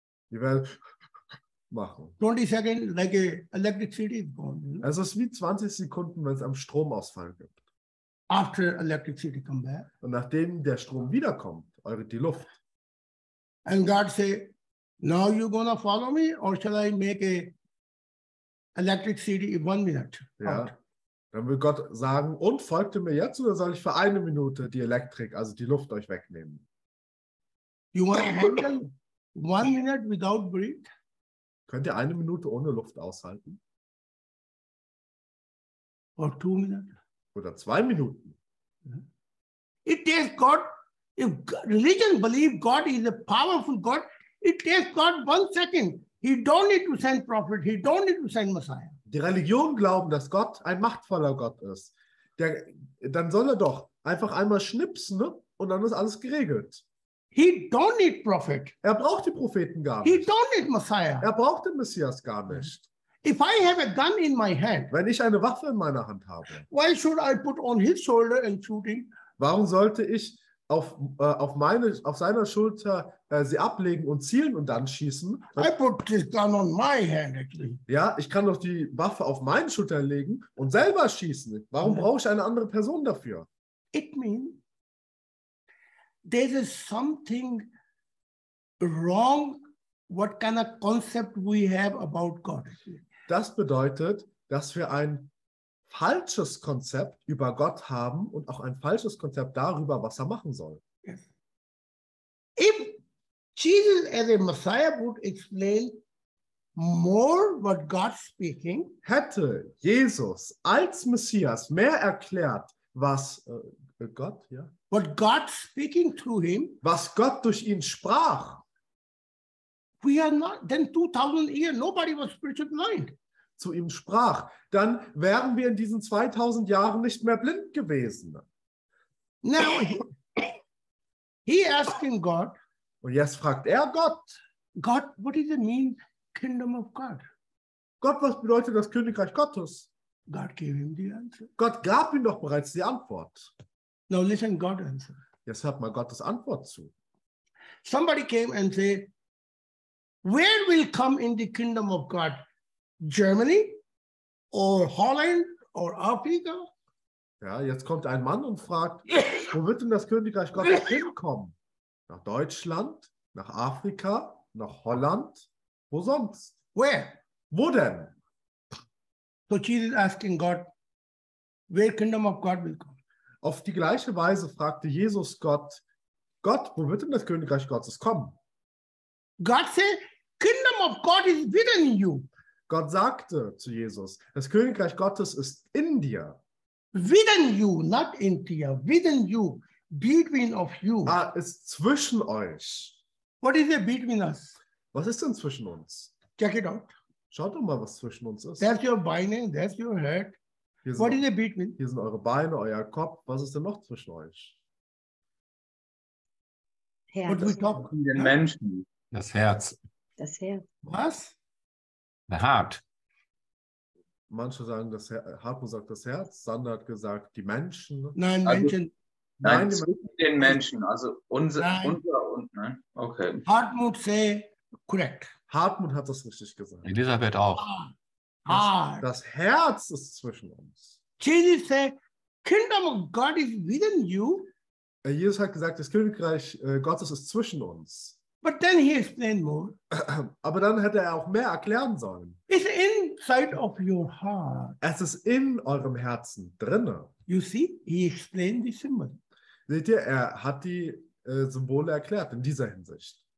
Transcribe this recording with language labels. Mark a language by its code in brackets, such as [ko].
[de] Ihr werdet machen. [en] 20 seconds like a electricity is gone. [de] Also es ist wie 20 Sekunden, wenn es einen Stromausfall gibt. [en] After electricity come back. [de] Und nachdem der Strom wiederkommt, eure die Luft. [en] And God say, now you gonna follow me or shall I make a electric city in 1 minute? [de] Ja. Dann will Gott sagen, und folgt ihr mir jetzt oder soll ich für eine Minute die Elektrik, also die Luft euch wegnehmen? [en] You want to handle 1 minute without breath? [de] Könnt ihr eine Minute ohne Luft aushalten? [en] Or 2 minutes? [de] Oder 2 Minuten? [en] It takes God, if religion believe God is a powerful God, it takes God 1 second. He don't need to send prophet, he don't need to send Messiah. [de] Die Religion glauben, dass Gott ein machtvoller Gott ist. Dann soll er doch einfach einmal schnipsen, ne? Und dann ist alles geregelt. [en] He don't need prophet. [de] Er braucht die Propheten gar nicht. [en] He don't need Messiah. [de] Er braucht den Messias gar nicht. [en] If I have a gun in my hand, [de] wenn ich eine Waffe in meiner Hand habe, [en] why should I put on his shoulder and shoot him? [de] Warum sollte ich auf seiner Schulter sie ablegen und zielen und dann schießen? [en] I put this gun on my hand, actually. [de] Ja, ich kann doch die Waffe auf meine Schulter legen und selber schießen. Warum brauche ich eine andere Person dafür? [en] It means there is something wrong, what kind of concept we have about God. [de] Das bedeutet, dass wir ein falsches Konzept über Gott haben und auch ein falsches Konzept darüber, was er machen soll. [en] Yes. If Jesus as a Messiah would explain more what God's speaking, [de] hätte Jesus als Messias mehr erklärt, was Gott, ja? [en] What God speaking through him, [de] was Gott durch ihn sprach, [en] we are not, then 2000 years nobody was spiritually blind. [de] Zu ihm sprach, dann wären wir in diesen 2000 Jahren nicht mehr blind gewesen. [en] Now he asking God. [de] Und jetzt fragt er Gott. [en] God, what does it mean, kingdom of God? [de] Gott, was bedeutet das Königreich Gottes? [en] God gave him the answer. [de] Gott gab ihm doch bereits die Antwort. [en] Now listen, God answer. [de] Jetzt hört mal Gottes Antwort zu. [en] Somebody came and said, where will come in the kingdom of God? Germany or Holland or Africa? [de] Ja, jetzt kommt ein Mann und fragt, wo wird denn das Königreich Gottes hinkommen? Nach Deutschland, nach Afrika, nach Holland, wo sonst? [en] Where? [de] Wo denn? [en] So Jesus asking God, where kingdom of God will come? [de] Auf die gleiche Weise fragte Jesus Gott, Gott, wo wird denn das Königreich Gottes kommen? [en] God said, kingdom of God is within you. [de] Gott sagte zu Jesus, das Königreich Gottes ist in dir. [en] Within you, not [de] in dir. [en] Within you, between of you. [de] Ah, ist zwischen euch. [en] What is it between us? [de] Was ist denn zwischen uns? [en] Check it out. [de] Schaut doch mal, was zwischen uns ist. [en] That's your [de] Beine, [en] that's your head. What is it between? [de] Hier sind eure Beine, euer Kopf. Was ist denn noch zwischen euch? Herz. [en] What we talk? [de] Den Menschen. Das Herz. Das Herz. Was? Hart. Manche sagen, das Hartmut sagt das Herz, Sander hat gesagt, die Menschen. Nein, also, Menschen. Nein, zwischen den Menschen, also unser und, ne? Okay. [en] Hartmut say correct. [de] Hartmut hat das richtig gesagt. Elisabeth auch. Das Herz ist zwischen uns. [en] Jesus say, kingdom of God is within you. [de] Jesus hat gesagt, das Königreich Gottes ist zwischen uns. [en] But then he explained more. [de] Aber dann hätte er auch mehr erklären sollen. [en] It's inside of your heart. [de] Es ist in eurem Herzen drinne. [en] You see, he explained the symbol. [de] Seht ihr, er hat die Symbole erklärt in dieser Hinsicht.